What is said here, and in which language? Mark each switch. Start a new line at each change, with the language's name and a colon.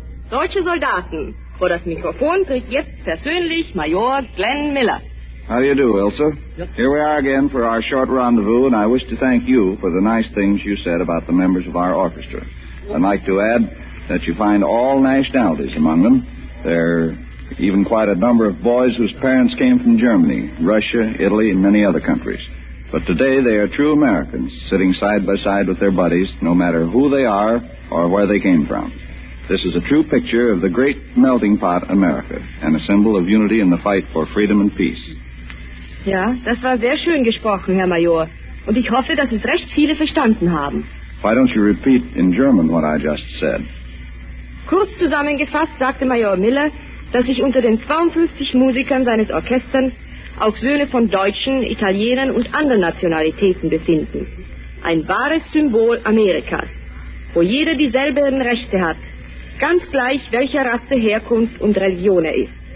German: Deutsche Soldaten, vor das Mikrofon tritt jetzt persönlich Major Glenn Miller.
English: How do you do, Ilsa? Yep. Here we are again for our short rendezvous, and I wish to thank you for the nice things you said about the members of our orchestra. Yep. I'd like to add that you find all nationalities among them. There are even quite a number of boys whose parents came from Germany, Russia, Italy, and many other countries. But today they are true Americans, sitting side by side with their buddies, no matter who they are or where they came from. This is a true picture of the great melting pot America and a symbol of unity in the fight for freedom and peace.
German: Ja, das war sehr schön gesprochen, Herr Major. Und ich hoffe, dass es recht viele verstanden haben.
English: Why don't you repeat in German what I just said?
German: Kurz zusammengefasst sagte Major Miller, dass sich unter den 52 Musikern seines Orchesters auch Söhne von Deutschen, Italienern und anderen Nationalitäten befinden. Ein wahres Symbol Amerikas, wo jeder dieselben Rechte hat, ganz gleich welcher Rasse, Herkunft und Religion er ist.